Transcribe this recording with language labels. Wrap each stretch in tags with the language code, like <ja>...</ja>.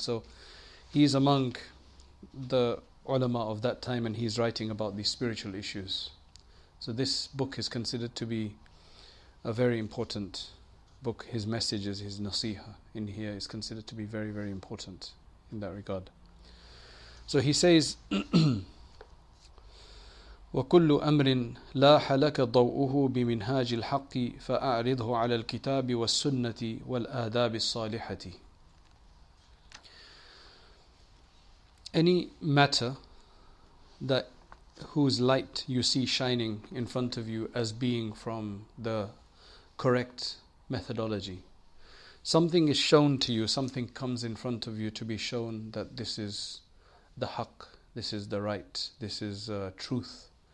<en>So he's among the ulama of that time, and he's writing about these spiritual issues. So this book is considered to be a very important book. His messages, his nasiha in here, is considered to be very, very important in that regard. So he says,</en> <ar>وكل أمر لاح لك ضوءه بمنهاج الحق فأعرضه على الكتاب والسنة والآداب الصالحة.</ar> <en>Any matter that whose light you see shining in front of you as being from the correct methodology. Something is shown to you, something comes in front of you to be shown that this is the haqq, this is the right, this is truth.</en>